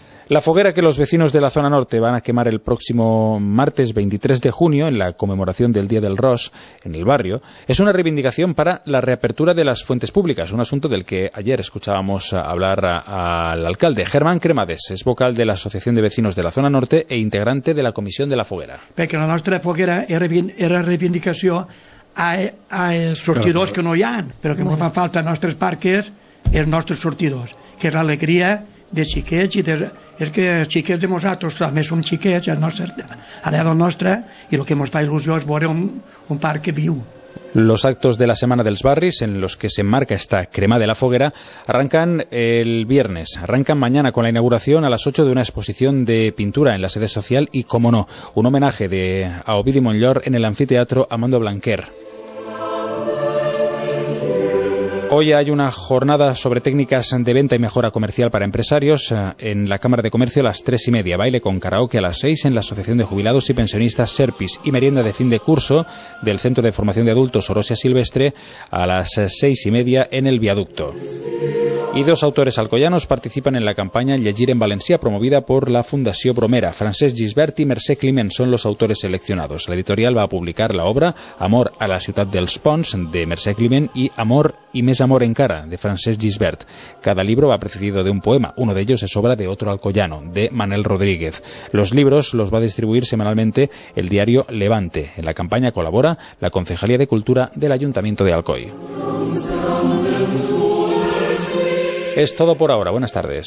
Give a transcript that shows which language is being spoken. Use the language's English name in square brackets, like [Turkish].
[Spanish] La foguera que los vecinos de la zona norte van a quemar el próximo martes 23 de junio en la conmemoración del Día del Ros en el barrio es una reivindicación para la reapertura de las fuentes públicas, un asunto del que ayer escuchábamos hablar al alcalde. Germán Cremades es vocal de la Asociación de Vecinos de la Zona Norte e integrante de la Comisión de la Foguera. [Catalan] Porque la nostra foguera era reivindicació a sortidors que no hi ha, però que ens fa falta als nostres parques els nostres sortidors, que és l'alegria de xiquets i de... És que els xiquets de nosaltres també som xiquets a l'edat nostra, i el que ens fa il·lusió és veure un parc viu. [Spanish] Los actos de la Semana dels Barris, en los que se enmarca esta crema de la foguera, arrancan el viernes. Arrancan mañana con la inauguración a las 8 de una exposición de pintura en la sede social y, como no, un homenaje a Ovidi Montllor en el anfiteatro Amando Blanquer. Hoy hay una jornada sobre técnicas de venta y mejora comercial para empresarios en la Cámara de Comercio a las 3:30, baile con karaoke a las 6 en la Asociación de Jubilados y Pensionistas Serpis y merienda de fin de curso del Centro de Formación de Adultos Orosia Silvestre a las 6:30 en el viaducto. Y dos autores alcoyanos participan en la campaña Llegir en Valencià, promovida por la Fundació Bromera. Francesc Gisbert i Mercè Climent són los autores seleccionados. La editorial va a publicar la obra Amor a la ciutat dels ponts, de Mercè Climent, i Amor i més amor encara, de Francesc Gisbert. Cada libro va precedido de un poema. Uno de ellos es obra de otro alcoyano, de Manel Rodríguez. Los libros los va a distribuir semanalmente el diario Levante. En la campaña colabora la Concejalía de Cultura del Ayuntamiento de Alcoy. Es todo por ahora. Buenas tardes.